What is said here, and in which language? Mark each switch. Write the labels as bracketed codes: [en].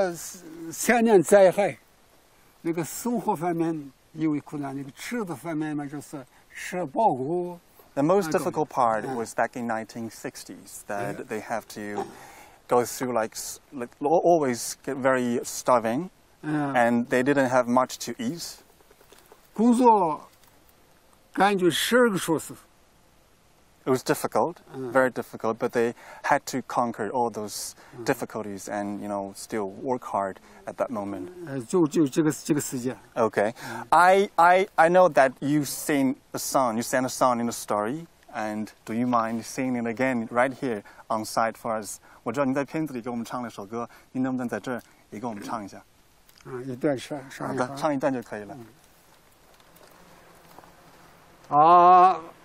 [zh] 当时最艰苦的部分是什么？能给我们说一下吗？那个是当时的，当时的最艰苦是这个地方，就是特别是这个60年这个时间嘛，以后这个那个时候三年灾害。 [en] The most difficult part was back in 1960s that they have to go through like always get very starving and they didn't have much to eat. [zh] 工作感觉12个小时。 [en] It was difficult, very difficult, but they had to conquer all those difficulties and, you know, still work hard at that moment. Okay. I know that you sent a song in a story, and do you mind singing it again right here on site for us? [zh] 我知道你在片子里给我们唱了首歌，你能不能在这儿也给我们唱一下？一段，唱一段就可以了。